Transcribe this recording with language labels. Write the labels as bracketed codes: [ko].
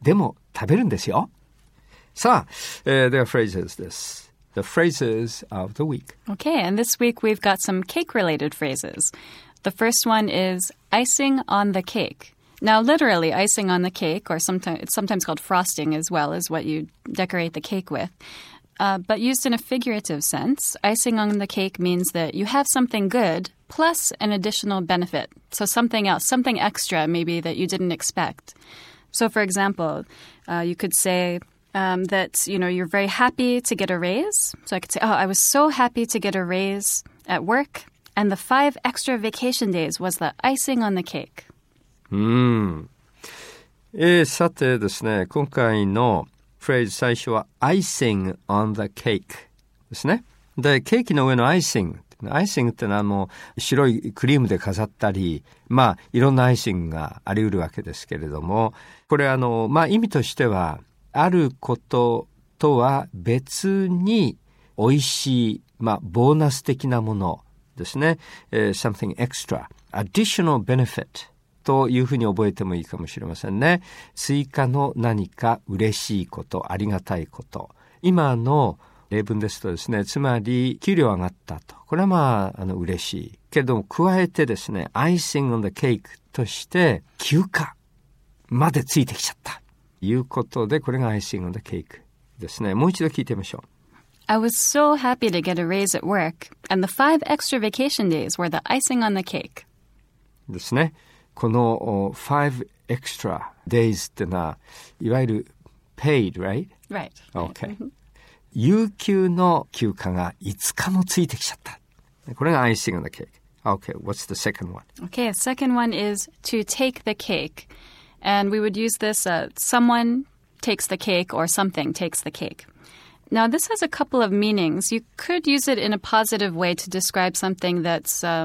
[ja] でも食べるんですよ。さあ、ではフレーズです。 [en] The phrases of the week. Okay, and this week we've got some cake related phrases. The first one is icing on the cake. Now, literally, icing on the cake, or sometimes called frosting as well, is what you decorate the cake with. But used in a figurative sense, icing on the cake means that you have something good plus an additional benefit. So something else, something extra maybe that you didn't expect. So, for example, you could say that, you know, you're very happy to get a raise. So I could say, oh, I was so happy to get a raise at work. And the 5 extra vacation days was the icing on the cake. [ja] さてですね、今回のフレーズ最初は [en] icing on the cake [ja] ですね。で、ケーキの上のアイシングってのはもう白いクリームで飾ったり、まあいろんなアイシングがあり得るわけですけれども、これまあ意味としては、あることとは別に美味しい、まあボーナス的なものですね。 [en] something extra, additional benefit. [ja] というふうに覚えてもいいかもしれませんね。追加の何か嬉しいこと、ありがたいこと。今の例文ですとですね、つまり給料上がったと。これはまあ、嬉しい。けれども、加えてですね、 [en] アイシング・オン・ザ・ケーク [ja] として、休暇までついてきちゃった。いうことで、これが [en] アイシング・オン・ザ・ケーク [ja] ですね。もう一度聞いてみましょう。 [en] I was so happy to get a raise at work, and the 5 extra vacation days were the icing on the cake. [ja] ですね。この [en] 5 extra days [ja] ってのは、いわゆる [en] paid, right? Right. Okay. [ja] 有給の休暇が5日もついてきちゃった。これが [en] icing on the cake. Okay, what's the second one? Okay, the second one is to take the cake. And we would use this, someone takes the cake or something takes the cake. Now, this has a couple of meanings. You could use it in a positive way to describe something that's...